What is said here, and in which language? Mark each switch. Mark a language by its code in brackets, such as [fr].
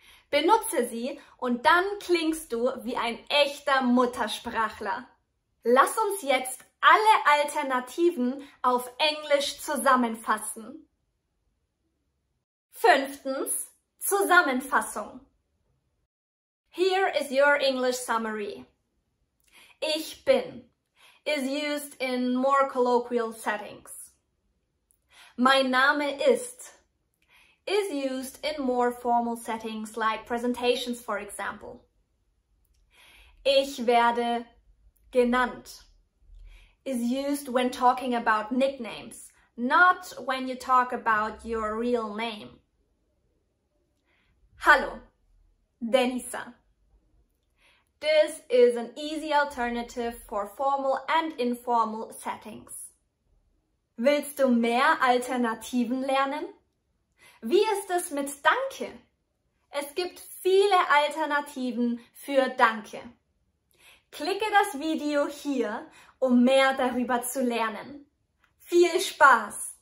[de] Benutze sie und dann klingst du wie ein echter Muttersprachler. Lass uns jetzt alle Alternativen auf Englisch zusammenfassen. Fünftens, Zusammenfassung. [en] Here is your English summary. Ich bin. Is used in more colloquial settings. Mein Name is used in more formal settings like presentations, for example. Ich werde genannt is used when talking about nicknames, not when you talk about your real name. [de] Hallo, Denisa. [en] This is an easy alternative for formal and informal settings. [de] Willst du mehr Alternativen lernen? Wie ist es mit Danke? Es gibt viele Alternativen für Danke. Klicke das Video hier, um mehr darüber zu lernen. Viel Spaß!